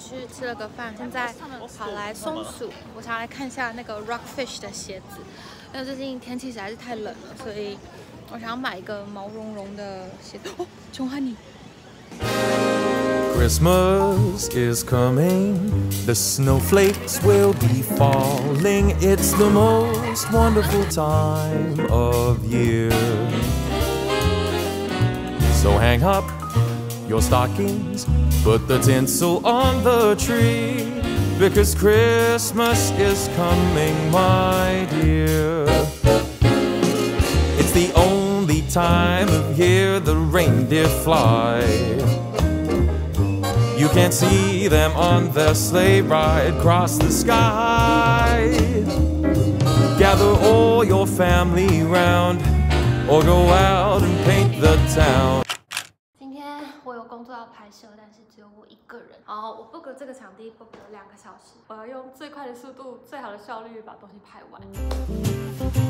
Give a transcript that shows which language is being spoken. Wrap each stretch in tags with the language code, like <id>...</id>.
<zh>吃了个饭，现在跑来松鼠，我想来看一下那个 rockfish 的鞋子，因为最近天气实在是太冷了，所以我想买一个毛茸茸的鞋子。哦，穷哈尼。</zh> <en>Christmas is coming, the snowflakes will be falling. It's the most wonderful time of year. So hang up your stockings. Put the tinsel on the tree, because Christmas is coming, my dear. It's the only time of year the reindeer fly. You can't see them on their sleigh ride across the sky. Gather all your family round, or go out and paint the town.</en> <zh>工作要拍摄，但是只有我一个人。然后我 book 这个场地 book 了两个小时，我要用最快的速度、最好的效率把东西拍完。</zh>